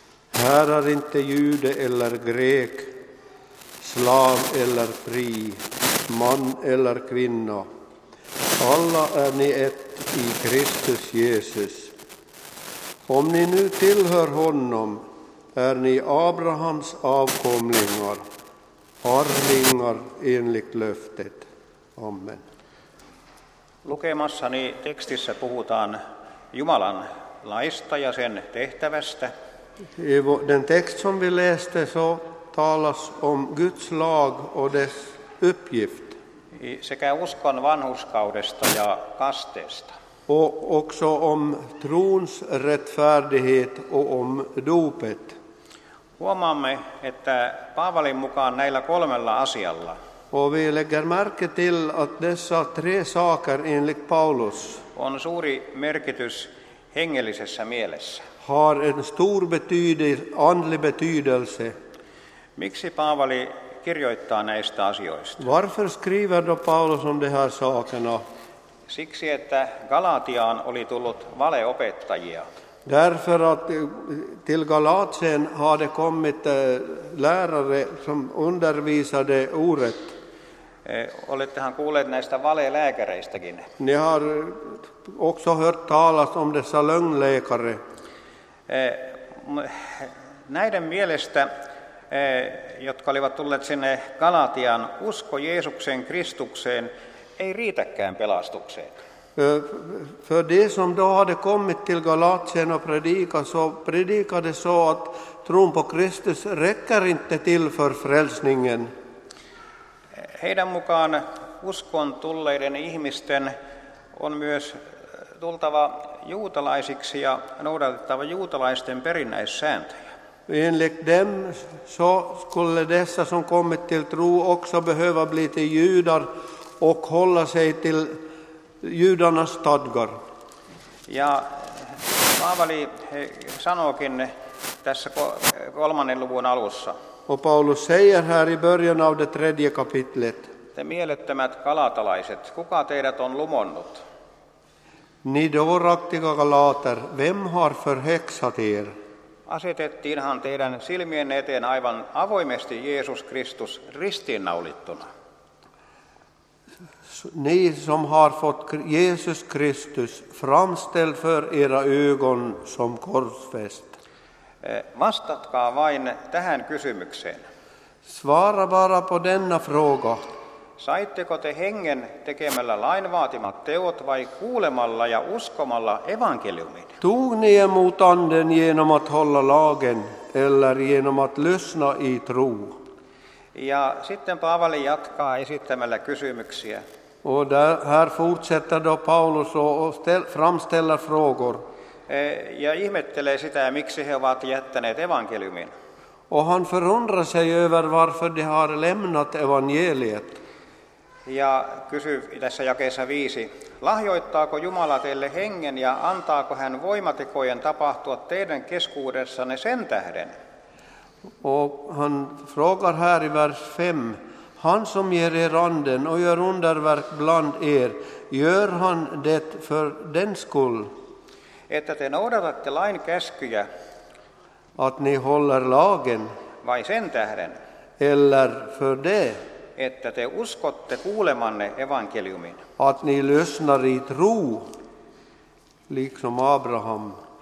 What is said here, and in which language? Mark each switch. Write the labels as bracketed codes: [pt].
[sv] Här är inte jude eller grek, slav eller fri, man eller kvinna. Alla är ni ett i Kristus Jesus. Om ni nu tillhör honom är ni Abrahams avkomlingar, arvingar enligt löftet. Amen. [fi] Lukemassani tekstissä puhutaan Jumalan laista ja sen tehtävästä. [sv] I den text som vi läste så talas om Guds lag och dess uppgift. [fi] Sekä uskon vanhuskaudesta ja kasteesta. [sv] Och också om trons rättfärdighet och om dopet. [fi] Huomaamme, että Paavalin mukaan näillä kolmella asialla. [sv] Och vi lägger märke till att dessa tre saker enligt Paulus [fi] on suuri merkitys hengellisessä mielessä. [sv] Har en stor andlig betydelse. [fi] Miksi Paavali kirjoittaa näistä asioista? [sv] Varför skriver då Paulus om de här sakerna? [fi] Siksi, että Galatiaan oli tullut valeopettajia. [sv] Därför att till Galatien hade kommit lärare som undervisade orätt. [fi] Olettehan kuulleet näistä valelääkäreistäkin. [sv] Ni har också hört talas om dessa lögnläkare. [fi] Näiden mielestä, jotka olivat tulleet sinne Galatiaan, usko Jeesukseen Kristukseen ei riitäkään pelastukseen. [sv] För det som då hade kommit till Galatien och predikade så att tron på Kristus räcker inte till för frälsningen. [fi] Heidän mukaan uskon tulleiden ihmisten on myös tultava juutalaisiksi ja noudatettava juutalaisten perinnäissääntöjä. [sv] Enligt dem så skulle dessa som kommit till tro också behöva bli till judar och hålla sig till judarnas stadgar. [fi] Ja Paavali sanookin tässä kolmannen luvun alussa. [sv] Och Paulus säger här i början av det tredje kapitlet. [fi] Te mielettömät galatalaiset, kuka teidät on lumonnut? [sv] Ni dåraktiga galater, vem har förhäxat er? [fi] Asetettiinhan teidän silmien eteen aivan avoimesti Jeesus Kristus ristiinnaulittuna. [sv] Ni som har fått Jesus Kristus framställd för era ögon som korsfäst. [fi] Vastatkaa vain tähän kysymykseen. [sv] Svara bara på denna fråga. [fi] Saitteko te hengen tekemällä lain vaatimat teot vai kuulemalla ja uskomalla evankeliumin? [sv] Tog ni emot anden genom att hålla lagen eller genom att lyssna i tro? [fi] Ja sitten Paavali jatkaa esittämällä kysymyksiä. [sv] Och där, här fortsätter då Paulus och framställa frågor. [fi] Ja ihmettelee sitä, miksi he ovat jättäneet evankeliumin. [sv] Och han förundrar sig över varför de har lämnat evangeliet. [fi] Ja kysyy tässä jakeessa 5. Lahjoittaako Jumala teille hengen ja antaako hän voimatekojen tapahtua teidän keskuudessanne sen tähden? [sv] Och han frågar här i vers 5. Han som ger er anden och gör underverk bland er, gör han det för den skull? [fi] Että te noudatatte lain käskyjä. [sv] Att ni håller lagen. [fi] Vai sen tähden? [sv] Eller för det? [fi] Että te uskotte kuulemanne evankeliumin. [sv] Att ni lyssnar i tro, liksom Abraham.